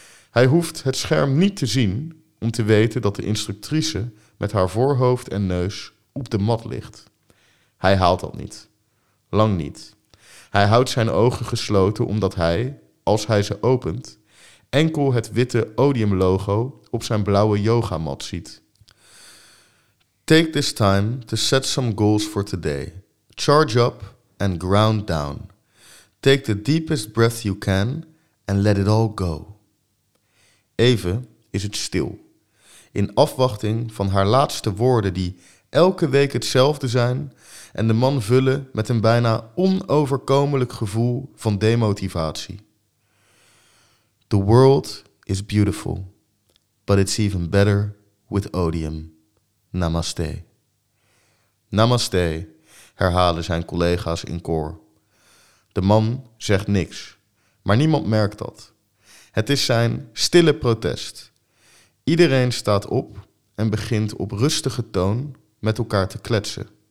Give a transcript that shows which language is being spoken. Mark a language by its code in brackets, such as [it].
[nl] Hij hoeft het scherm niet te zien om te weten dat de instructrice met haar voorhoofd en neus op de mat ligt. Hij haalt dat niet, lang niet. Hij houdt zijn ogen gesloten omdat hij, als hij ze opent, enkel het witte Odium logo op zijn blauwe yogamat ziet. [en] Take this time to set some goals for today. Charge up and ground down. Take the deepest breath you can and let it all go. [nl] Even is het stil, in afwachting van haar laatste woorden die elke week hetzelfde zijn en de man vullen met een bijna onoverkomelijk gevoel van demotivatie. [en] The world is beautiful, but it's even better with Odium. [hi] Namaste. [nl] Namaste, herhalen zijn collega's in koor. De man zegt niks, maar niemand merkt dat. Het is zijn stille protest. Iedereen staat op en begint op rustige toon met elkaar te kletsen.